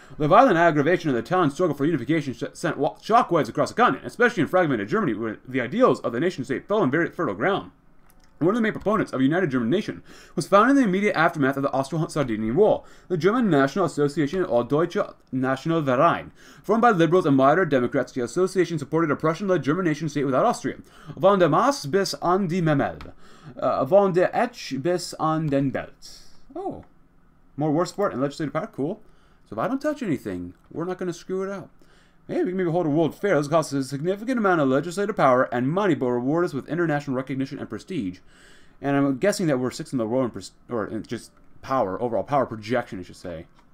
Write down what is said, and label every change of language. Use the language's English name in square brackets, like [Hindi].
[English] The violent aggravation of the Italian struggle for unification sent shockwaves across the continent, especially in fragmented Germany, where the ideals of the nation-state fell on very fertile ground. One of the main proponents of a united German nation was founded in the immediate aftermath of the Austro-Sardinian War. The German National Association, or Deutsche Nationalverein, formed by liberals and moderate Democrats, the association supported a Prussian-led German nation-state without Austria. [German] Von der Maas bis an die Memel. Von der Etsch bis an den Belt. [English] Oh. More war support and legislative power? Cool. So if I don't touch anything, we're not going to screw it up. Hey, we can maybe hold a world fair. This costs a significant amount of legislative power and money, but reward us with international recognition and prestige. And I'm guessing that we're sixth in the world in overall power projection, I should say.